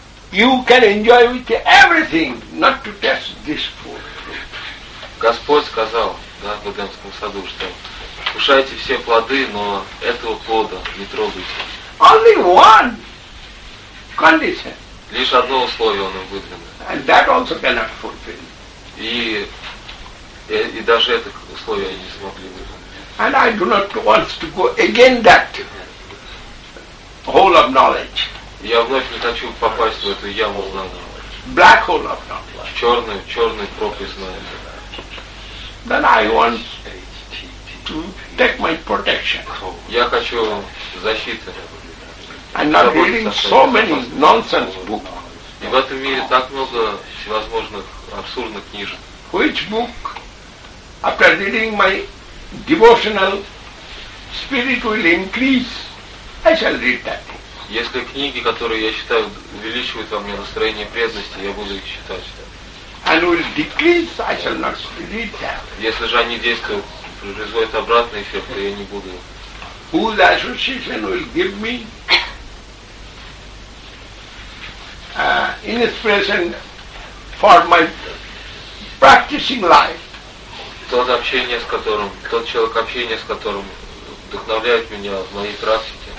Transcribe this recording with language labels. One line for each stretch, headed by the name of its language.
English: You can enjoy with everything, not to test this food.
Russian: Господь сказал, да, в Эдемском саду, что кушайте все плоды, но этого плода не трогайте.
English: Only one condition.
Russian: Лишь одно условие он выдвинул.
English: And that also cannot fulfill.
Russian: И даже это условие они не смогли выполнить.
English: And I do not want to go again that hole of knowledge.
Russian: Я вновь не хочу попасть в эту яму знания.
English: Black hole of knowledge.
Russian: Черный пропасть знания.
English: Then I want to take my protection.
Russian: Я хочу защиты.
English: And not reading so many nonsense books.
Russian: И в этом мире так много всевозможных абсурдных книжек.
English: Which book? After reading my devotional spirit will increase. I shall read that.
Russian: Если книги, которые я считаю, увеличивают во мне настроение преданности, я буду их читать.
English: And will decrease, I shall not read that.
Russian: Если же они действуют, производят обратный эффект, то я не буду.
English: Whose association will give me inspiration for my practicing life?
Russian: Тот общение с которым, тот человек общения с которым вдохновляет меня в моей практике.